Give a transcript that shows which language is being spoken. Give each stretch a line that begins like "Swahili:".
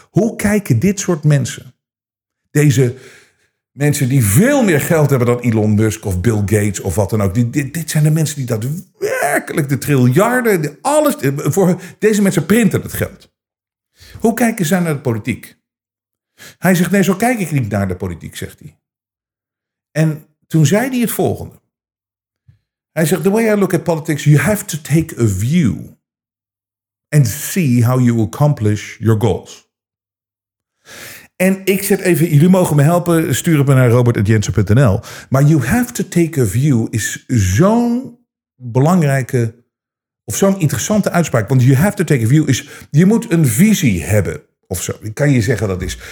Dutch: Hoe kijken dit soort mensen, deze mensen die veel meer geld hebben dan Elon Musk of Bill Gates of wat dan ook. Dit zijn de mensen die daadwerkelijk de triljarden, alles. Voor deze mensen printen het geld. Hoe kijken zij naar de politiek? Hij zegt, nee, zo kijk ik niet naar de politiek, zegt hij. En toen zei hij het volgende. Hij zegt,
English: the way I look at politics, you have to take a view and see how you accomplish your goals.
Dutch: En ik zet even, jullie mogen me helpen, stuur het me naar robert@jensen.nl. Maar
English: you have to take a view
Dutch: is zo'n belangrijke of zo'n interessante uitspraak. Want
English: you have to take a view
Dutch: is, je moet een visie hebben of zo. Ik kan je zeggen dat is.